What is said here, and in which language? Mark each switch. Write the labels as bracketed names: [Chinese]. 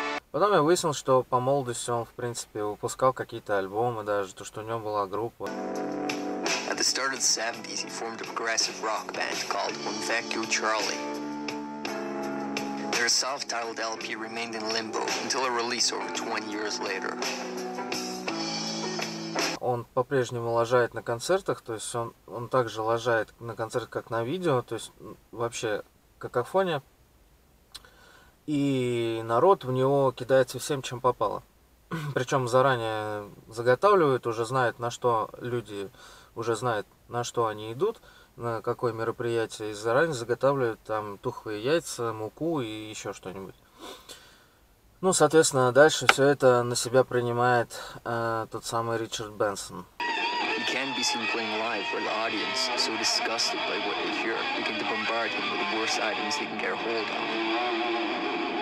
[Russian] Потом я выяснил, что по молодости он, в принципе, выпускал какие-то альбомы даже, то, что у него была группа. [English] At the start of the 70s, he formed a progressive rock band called One Thank You Charlie. Their self-titled LP remained in limbo until a release over 20 years later. [Russian] Он по-прежнему лажает на концертах, то есть он также лажает на концертах, как на видео, то есть вообще какофония. И народ в него кидается всем, чем попало. Причем заранее заготавливают, уже знают, на что люди, уже знают, на что они идут, на какое мероприятие, и заранее заготавливают там тухлые яйца, муку и еще что-нибудь. Ну, соответственно, дальше все это на себя принимает тот самый Ричард Бенсон. [English] He can be seen playing live where the audience, so disgusted by what they hear, begin to bombard him with the worst items they can get a hold of.